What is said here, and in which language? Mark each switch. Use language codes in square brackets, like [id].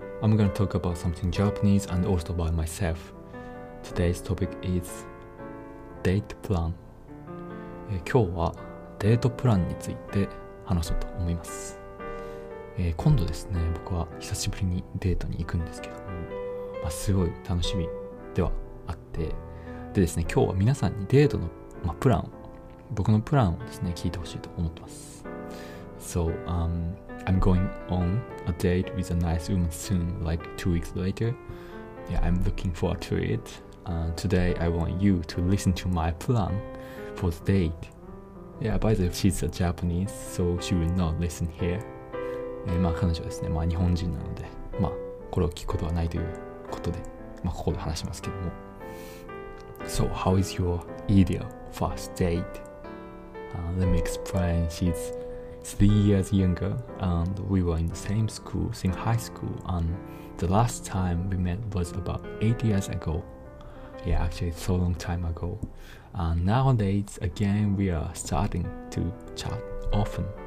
[en] I'm going to talk about something Japanese and also by myself. Today's topic is date plan. [ja] 今日はデートプランについて話そうと思います。今度ですね、僕は久しぶりにデートに行くんですけども、まあ、すごい楽しみではあって、でですね、今日は皆さんにデートの、まあ、プランを、僕のプランをですね、聞いてほしいと思ってます。 [en] So, I'm going on a date with a nice woman soon, like 2 weeks later. Yeah, I'm looking forward to it. Today, I want you to listen to my plan for the date. Yeah, by the way, she's a Japanese, so she will not listen here. [ja] まあ彼女はですね、まあ日本人なので、まあこれを聞くことはないということで、まあここで話しますけども。 [en] So, how is your ideal first date?、Let me explain. She's 3 years younger and we were in the same school since high school and the last time we met was about 8 years ago. Yeah, actually so long time ago. And nowadays, again, we are starting to chat often.